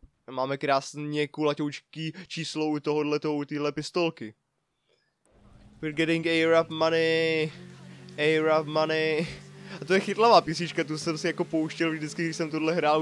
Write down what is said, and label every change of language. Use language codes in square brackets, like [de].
[cs] Máme krásně kulaťoučký číslo u tohohletoho, u téhle pistolky. [en] We're getting A-Rap money. A-Rap money. [cs] A to je chytlavá písnička, tu jsem si jako pouštěl vždycky, když jsem tohle hrál.